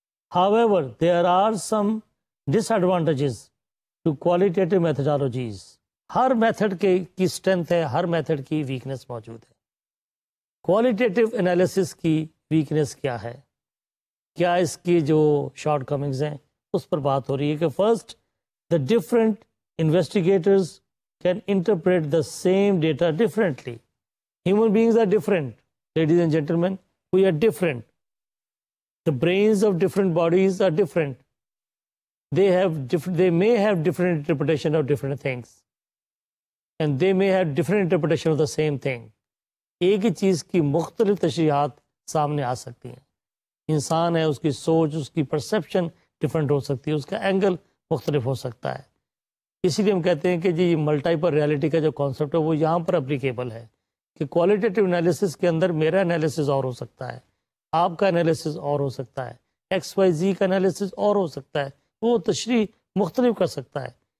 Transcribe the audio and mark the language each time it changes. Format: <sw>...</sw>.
<en>However, there are some disadvantages to qualitative methodologies.</en> <ur>Hare method کی strength ہے, ہر method کی weakness موجود ہے. Qualitative analysis کی weakness کیا ہے, کیا اس کی جو شارٹ کمنگز ہیں اس پر بات ہو رہی ہے. کہ</ur> <en>first, the different investigators can interpret the same data differently. Human beings are different, ladies and gentlemen. We are different. The brains of different bodies are different. They have different, they may have different interpretation of different things. And they may have different interpretation of the same thing.</en> <ur>ایک ہی چیز کی مختلف تشریحات سامنے آ سکتی ہیں. انسان ہے, اس کی سوچ, اس کی پرسیپشن ڈفرینٹ ہو سکتی ہے, اس کا اینگل مختلف ہو سکتا ہے. اسی لیے ہم کہتے ہیں کہ یہ ملٹائپل ریالٹی کا جو کانسیپٹ ہے وہ یہاں پر اپلیکیبل ہے. کہ کوالیٹیٹیو انالیسس کے اندر میرا انالیسس اور ہو سکتا ہے, آپ کا انالیسس اور ہو سکتا ہے, ایکس وائی زی کا انالیسس اور ہو سکتا ہے, وہ تشریح مختلف کر سکتا ہے.</ur>